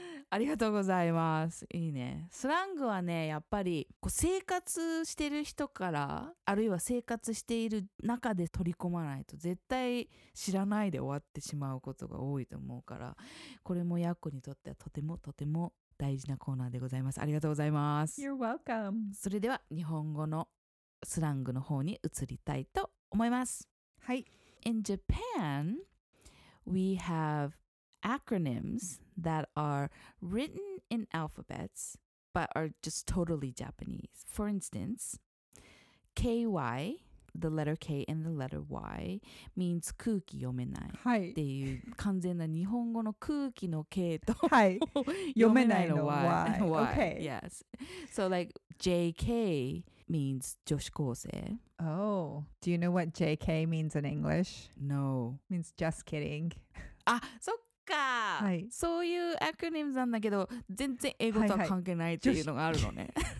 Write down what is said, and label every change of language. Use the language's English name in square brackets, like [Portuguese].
[Japanese] ありがとうございます。いいね。スラングはね、やっぱりこう生活してる人から、あるいは生活している中で取り込まないと、絶対知らないで終わってしまうことが多いと思うから、これもヤッコにとってはとてもとても大事なコーナーでございます。ありがとうございます。 [English] You're welcome. [Japanese] それでは日本語のスラングの方に移りたいと思います。はい。 [English] In Japan, we have acronyms that are written in alphabets but are just totally Japanese. For instance, KY, the letter K and the letter Y, means [Japanese] 空気読めない。はい。っていう完全な日本語の空気の K と、はい、読めないの Y。Okay. [English] Yes. So like JK means [Japanese] 女子高生。 [English] Oh, do you know what JK means in English? No. Means just kidding. Ah, [Japanese] そっか。はい。そういうアクロニムなんだけど、全然英語とは関係ないっていうのがあるのね。